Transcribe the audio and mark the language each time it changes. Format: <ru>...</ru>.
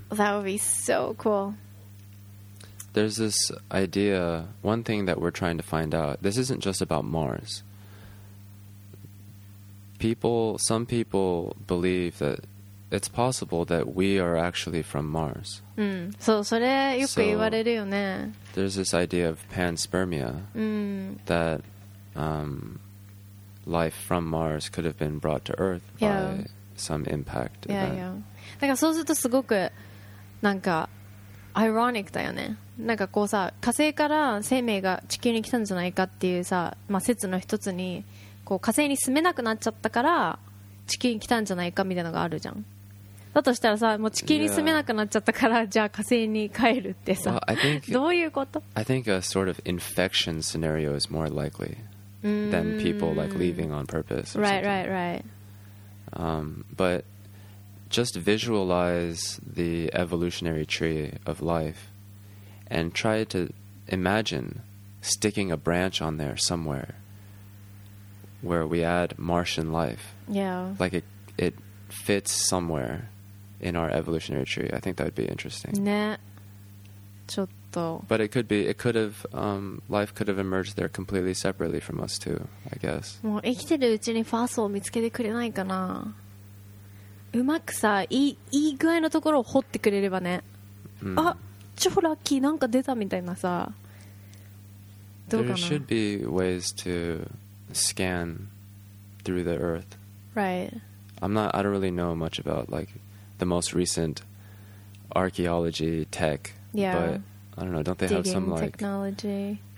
<en>That would be so cool. There's this idea, one thing that we're trying to find out. This isn't just about Mars. Some people believe that it's possible that we are actually from Mars.</en> <ja>So, それよく言われるよね。</ja> <en>There's this idea of panspermia, that life from Mars could have been brought to Earth by some impact.</en> <ja>だからそうするとすごくなんかアイロニックだよね。なんかこうさ、火星から生命が地球に来たんじゃないかっていうさ、まあ、説の一つにこう火星に住めなくなっちゃったから地球に来たんじゃないかみたいなのがあるじゃん。だとしたらさ、もう地球に住めなくなっちゃったから、じゃあ火星に帰るってさ、どういうこと？</ja> <en>I think a sort of infection scenario is more likely than people like leaving on purpose. Right, right, right. But just visualize the evolutionary tree of life and try to imagine sticking a branch on there somewhere where we add Martian life. Yeah. Like it fits somewhere in our evolutionary tree. I think that would be interesting. Yeah.</en> <ja>ちょっと...</ja> <en>But it could be, it could have, life could have emerged there completely separately from us too, I guess.</en> <ja>もう生きてるうちにファーストを見つけてくれないかな?うまくさ、いい具合のところを掘ってくれればね。 Mm. あ、超ラッキーなんか出たみたいなさ。</ja> <en>There should be ways to scan through the earth. Right. I don't really know much about like the most recent archaeology tech. Yeah. But I don't know, don't they digging have some like technology?</en>